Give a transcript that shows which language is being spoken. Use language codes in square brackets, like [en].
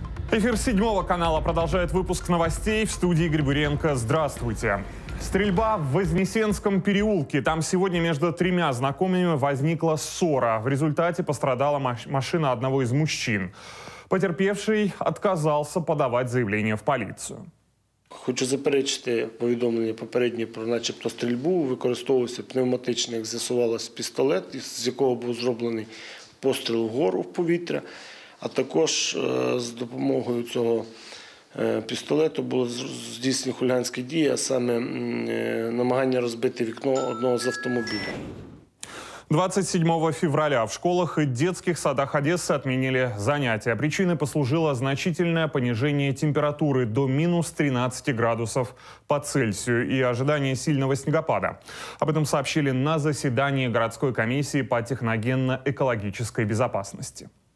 [ru] Эфир 7 канала продолжает выпуск новостей. В студии Игорь Буренко. Здравствуйте. Стрельба в Вознесенском переулке. Там сегодня между тремя знакомыми возникла ссора. В результате пострадала машина одного из мужчин. Потерпевший отказался подавать заявление в полицию. [uk] Хочу заперечити повідомлення попереднє про начебто стрільбу. Використовувався пневматичний, як з'ясувалось, пістолет, з якого був зроблений постріл вгору в повітря. А також з допомогою цього пістолету було здійснено хуліганські дії, а саме намагання розбити вікно одного з автомобілів. [ru] 27 февраля в школах и детских садах Одессы отменили занятия. Причиной послужило значительное понижение температуры до минус 13 градусов по Цельсию и ожидание сильного снегопада. Об этом сообщили на заседании городской комиссии по техногенно-экологической безопасности.